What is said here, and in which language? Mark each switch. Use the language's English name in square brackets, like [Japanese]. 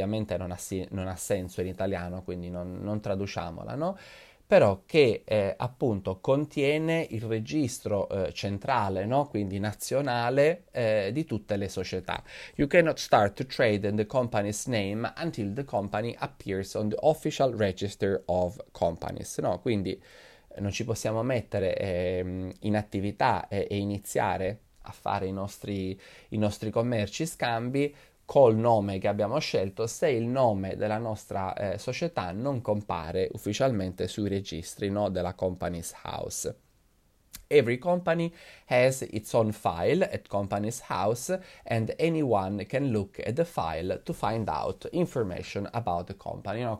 [Italian] Ovviamente non ha senso in italiano, quindi non traduciamola, no? Però che appunto contiene il registro centrale, no? Quindi nazionale, di tutte le società. [English] You cannot start to trade in the company's name until the company appears on the official register of companies, no? [Italian] Quindi non ci possiamo mettere in attività e iniziare a fare i nostri commerci scambi col nome che abbiamo scelto, se il nome della nostra società non compare ufficialmente sui registri, no, della Companies House. [English] Every company has its own file at Companies House, and anyone can look at the file to find out information about the company, no?